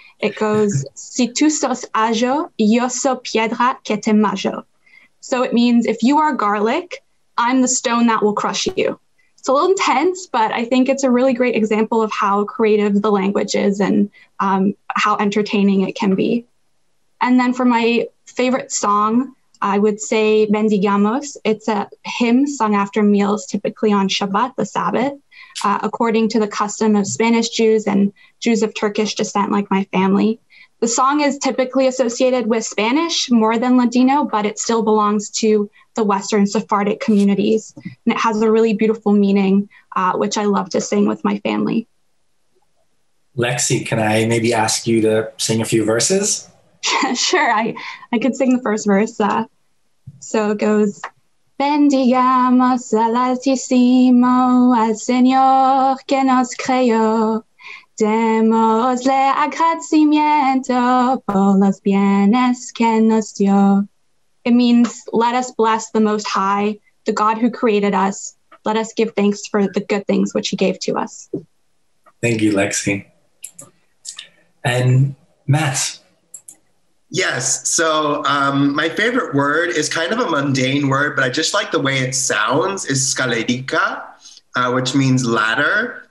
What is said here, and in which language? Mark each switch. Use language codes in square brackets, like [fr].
[en] It goes, [lad] si tú sos ajo, yo soy piedra que te majo. [en] So it means, if you are garlic, I'm the stone that will crush you. It's a little intense, but I think it's a really great example of how creative the language is and how entertaining it can be. And then for my favorite song, I would say Bendigamos. It's a hymn sung after meals, typically on Shabbat, the Sabbath, according to the custom of Spanish Jews and Jews of Turkish descent, like my family. The song is typically associated with Spanish more than Ladino, but it still belongs to the Western Sephardic communities. And it has a really beautiful meaning, which I love to sing with my family. Lexi, can I maybe ask you to sing a few verses? Sure, I could sing the first verse. So it goes, [es] Bendigamos al Altísimo, al Señor que nos creó. Demosle agradecimiento por los bienes que nos dio. [en] It means, let us bless the Most High, the God who created us. Let us give thanks for the good things which he gave to us. Thank you, Lexi. And Matt. Yes, so my favorite word is kind of a mundane word, but I just like the way it sounds, is scalerica, which means ladder.